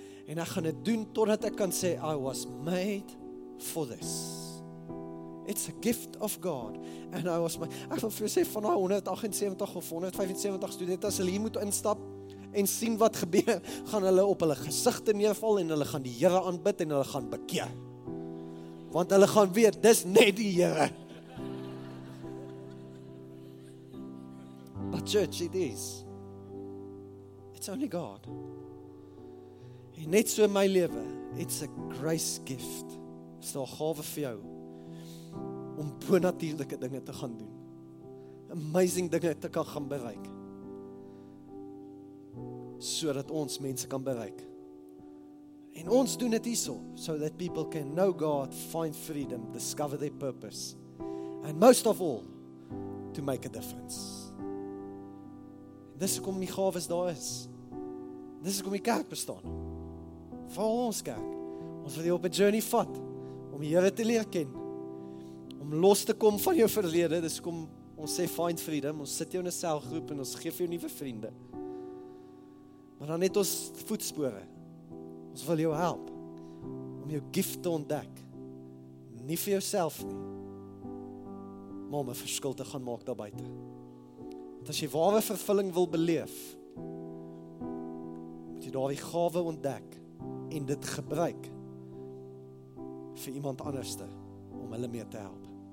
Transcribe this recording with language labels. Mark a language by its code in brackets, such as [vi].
[af] En ek gaan dit doen totdat ek kan sê, [en] I was made for this. It's a gift of God. And I was made. [af] Ek wil vir jou sê, van 178 of 175 studente, as hulle hier moet instap en sien wat gebeur, gaan hulle op hulle gesigte neerval en hulle gaan die Here aanbid en hulle gaan bekeer. Want hulle gaan weet, dis net die Here. [en] But church, it is. It's only God. [af] En net so in my lewe, [en] it's a grace gift. [af] Is daar gawe vir jou om bonatuurlike dinge te gaan doen. Amazing dinge te kan gaan bereik. So dat ons mense kan bereik. En ons doen dit hierso, [en] so that people can know God, find freedom, discover their purpose. And most of all, to make a difference. [af] Dis hoekom die gawes daar is. Dis hoekom die kerk bestaan. Vir ons kerk. Ons wil jou op 'n journey vat om die Here te leer ken. los te kom van jou verlede, dis kom, ons sê [en] find freedom, [af] ons sit jou in 'n selgroep en ons geef jou nuwe vriende. Maar dan het ons voetspore. Ons wil jou help om jou gift te ontdek. Nie vir jouself nie, maar om 'n verskil te gaan maak daar buite. Want as jy ware vervulling wil beleef, moet jy daardie gawe ontdek en dit gebruik vir iemand anderste om hulle mee te help.